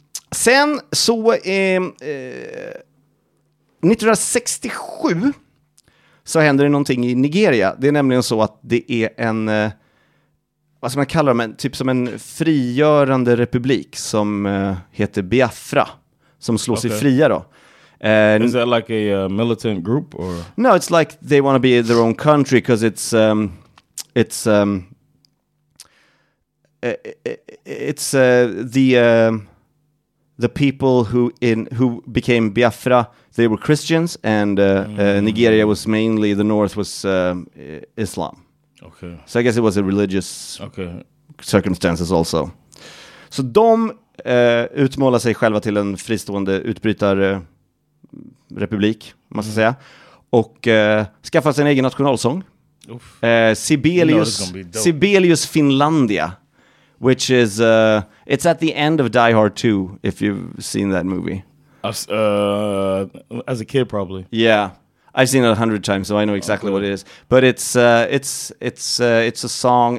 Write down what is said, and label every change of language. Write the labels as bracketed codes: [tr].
[sv] Sen så 1967 så händer det någonting i Nigeria. Det är nämligen så att det är en vad som man kallar dem, typ som en frigörande republik som heter Biafra, som slår sig fria då. [en] Is that like a militant group or? No, it's like they want to be their own country because it's the people who became Biafra, they were Christians and Nigeria was mainly, the north was Islam. Okay. So I guess it was a religious circumstances also. [sv] Så de utmålar sig själva till en fristående utbrytarrepublik, man ska säga. Och skaffar sin egen nationalsång. [en] Sibelius Finlandia, which is it's at the end of Die Hard 2, if you've seen that movie. As a kid probably. Yeah. I've seen it 100 times, so I know exactly what it is. But it's a song.